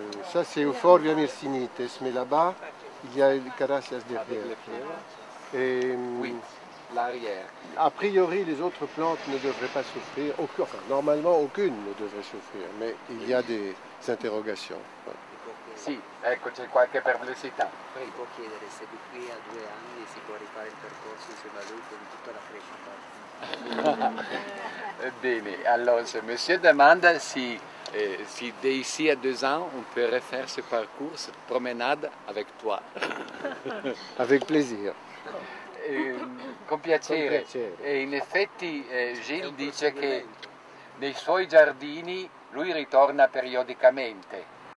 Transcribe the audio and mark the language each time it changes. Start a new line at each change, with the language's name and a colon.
French: Ça c'est Euphorbia myrcinites, mais là-bas il y a le caraceas derrière. Oui, l'arrière. A priori les autres plantes ne devraient pas souffrir, enfin, normalement aucune ne devrait souffrir, mais il y a des interrogations.
Italian: Sì, ecco, c'è qualche perplessità. Poi può chiedere se di qui a due anni si può rifare il percorso insieme a lui con tutta la crescita. Bene, allora se
French: monsieur demanda si d'ici a deux ans on peut refaire ce parcours, cette promenade avec toi. Avec plaisir.
Italian: Con piacere. Con piacere. E in effetti Gilles dice che nei suoi giardini lui ritorna periodicamente.